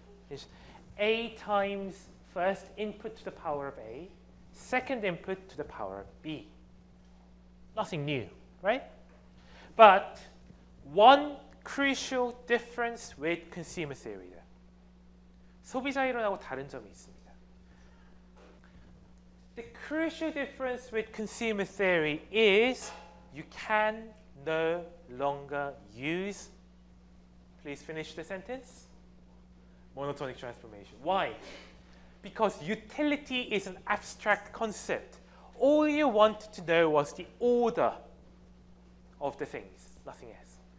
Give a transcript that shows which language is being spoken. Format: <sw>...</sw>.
<en>It's A times first input to the power of A, second input to the power of B. Nothing new, right? But one crucial difference with consumer theory.</en> <ko>소비자 이론하고 다른 점이 있습니다.</ko> <en>The crucial difference with consumer theory is you can no longer use, please finish the sentence, monotonic transformation. Why? Because utility is an abstract concept. All you wanted to know was the order of the things, nothing else.</en>